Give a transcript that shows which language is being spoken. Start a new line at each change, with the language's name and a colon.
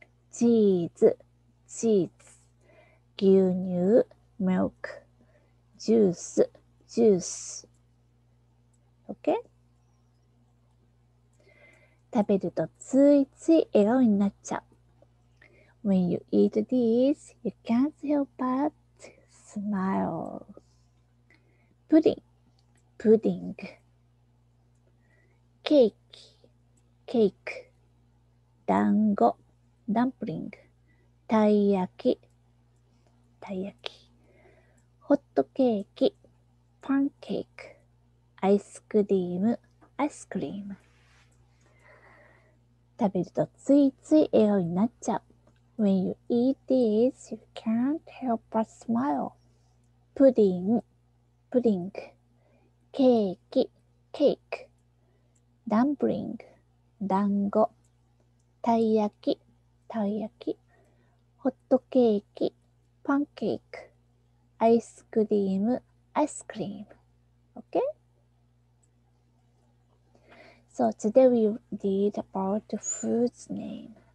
Japanese: チーズ、チーズ。牛乳、ミルク。ジュース、ジュース。OK? 食べるとついつい笑顔になっちゃう。
English: When you eat this, you can't help but smile.
Japanese: プディング、プディング。ケーキ、ケーク。団子、ダンプリング。たい焼き、たい焼き。ホットケーキ、パンケーク。アイスクリーム、アイスクリーム。食べるとついつい笑顔になっちゃう。
English: When you eat this, you can't help but smile.
Japanese: プディング、プディング。ケーキ、ケーク。ダンプリング、団子。たい焼き、たい焼き。ホットケーキ、パンケーク。アイスクリーム、アイスクリーム。
English: OK? So today we did about the food's name.